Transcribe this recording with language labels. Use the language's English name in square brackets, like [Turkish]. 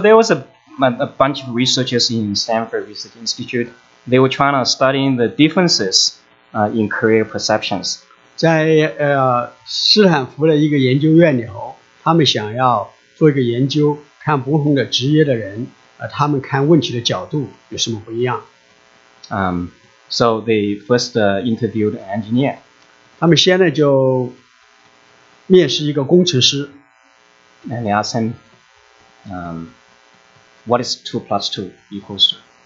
[English] there was a bunch of researchers in Stanford Research Institute. They were trying to study the differences in career perceptions. [Chinese] 在斯坦福的一个研究院里头，他们想要做一个研究，看不同的职业的人，他们看问题的角度有什么不一样。 [English] So they first interviewed an engineer. [Chinese] 他们现在就面试一个工程师。 [English] And they asked him, what is 2 plus 2 equals to?